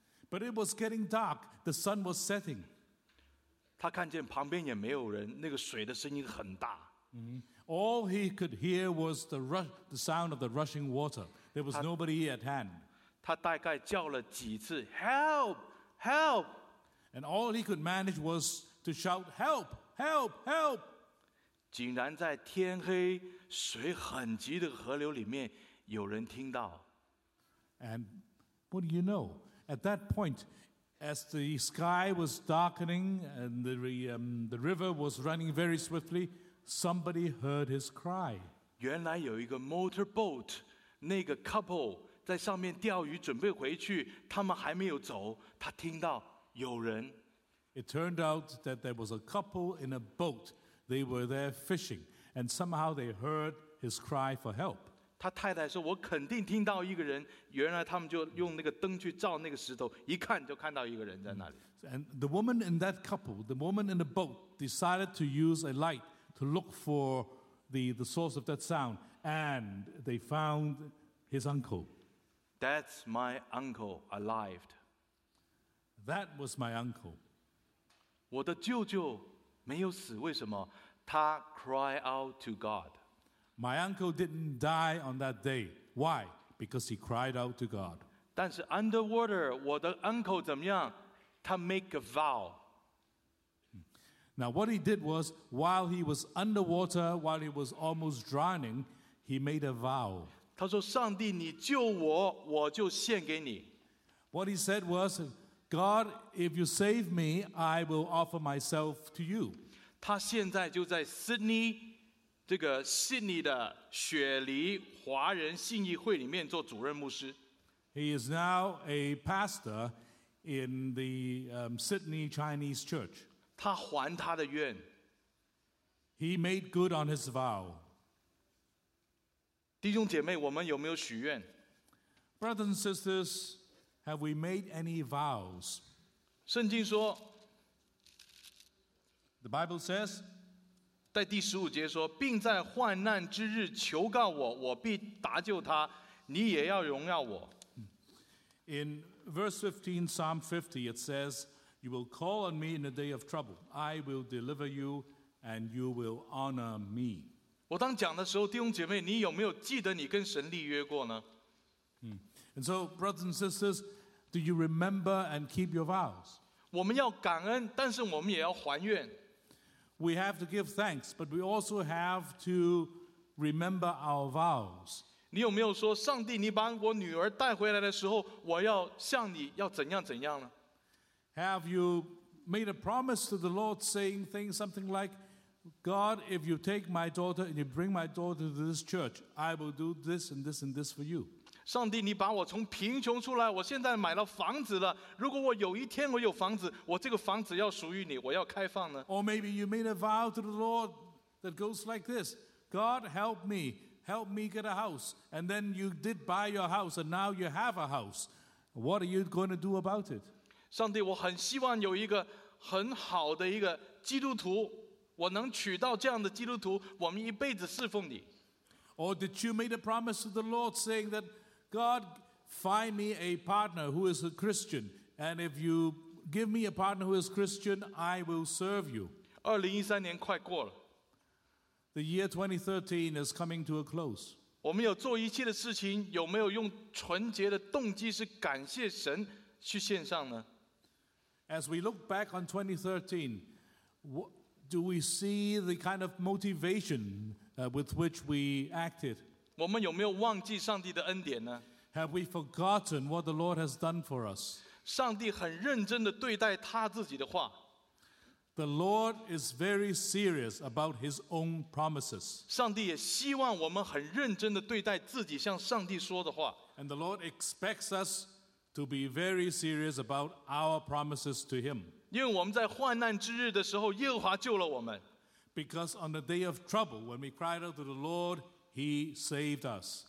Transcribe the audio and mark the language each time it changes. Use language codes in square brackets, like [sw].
[en] But it was getting dark. The sun was setting. [zh] 他看见旁边也没有人，那个水的声音很大。 [en] All he could hear was the sound of the rushing water. There was nobody at hand. [zh] 他大概叫了几次 ， [en] Help, help! And all he could manage was to shout, "Help, help, help!" [zh] 竟然在天黑。水很急的河流里面有人听到。 [en] And what do you know? At that point, as the sky was darkening and the river was running very swiftly, somebody heard his cry. [zh] 原来有一个 motorboat, 那个 couple 在上面钓鱼准备回去，他们还没有走，他听到有人。 [en] It turned out that there was a couple in a boat. They were there fishing. And somehow they heard his cry for help. [zh] 他太太说：“我肯定听到一个人。” 原来他们就用那个灯去照那个石头，一看就看到一个人在那里。 [en] And the woman in that couple, the woman in the boat, decided to use a light to look for the source of that sound, and they found his uncle. That's my uncle alive. That was my uncle. [zh] 我的舅舅没有死，为什么？他 [en] cry out to God. My uncle didn't die on that day. Why? Because he cried out to God. [zh] 但是 underwater, 我的 uncle 怎么样？他 [en] make a vow. Now what he did was, while he was underwater, while he was almost drowning, he made a vow. [zh] 他说：“上帝，你救我，我就献给你。” [en] What he said was, God, if you save me, I will offer myself to you. [zh] 他现在就在 Sydney 这个悉尼的雪梨华人信义会里面做主任牧师。 [en] He is now a pastor in the Sydney Chinese Church. [zh] 他还他的愿。 [en] He made good on his vow. [zh] 弟兄姐妹，我们有没有许愿 [en] ？Brothers and sisters, have we made any vows? [zh] 圣经说。 [en] The Bible says, [zh] 在第十五节说，并在患难之日求告我，我必搭救他，你也要荣耀我。 [en] In verse 15, Psalm 50, it says, You will call on me in a day of trouble. I will deliver you, and you will honor me. [zh] 我当讲的时候，弟兄姐妹，你有没有记得你跟神立约过呢？ [en] And so, brothers and sisters, do you remember and keep your vows? [zh] 我们要感恩，但是我们也要还愿。 [en] We have to give thanks, but we also have to remember our vows. [zh] 你有没有说，上帝，你把我女儿带回来的时候，我要向你要怎样怎样呢？ [en] Have you made a promise to the Lord saying things something like, God, if you take my daughter and you bring my daughter to this church, I will do this and this and this for you. [zh] 上帝，你把我从贫穷出来，我现在买了房子了。如果我有一天我有房子，我这个房子要属于你，我要开放呢。 [en] Or maybe you made a vow to the Lord that goes like this, God, help me get a house. And then you did buy your house and now you have a house. What are you going to do about it? [zh] 上帝，我很希望有一个很好的一个基督徒，我能娶到这样的基督徒，我们一辈子侍奉你。 [en] Or did you make a promise to the Lord saying that God, find me a partner who is a Christian, and if you give me a partner who is Christian, I will serve you. [zh] 2013年快过了。 [en] The year 2013 is coming to a close. [zh] 我们有做一切的事情，有没有用纯洁的动机是感谢神去献上呢？ [en] As we look back on 2013, do we see the kind of motivation with which we acted? [zh] 我们有没有忘记上帝的恩典呢？ [en] Have we forgotten what the Lord has done for us? [zh] 上帝很认真地对待他自己的话。 [en] The Lord is very serious about his own promises. [zh] 上帝也希望我们很认真地对待自己向上帝说的话。 [en] And the Lord expects us to be very serious about our promises to him. [zh] 因为我们在患难之日的时候，耶和华救了我们。 [en] Because on the day of trouble, when we cried out to the Lord,He saved us.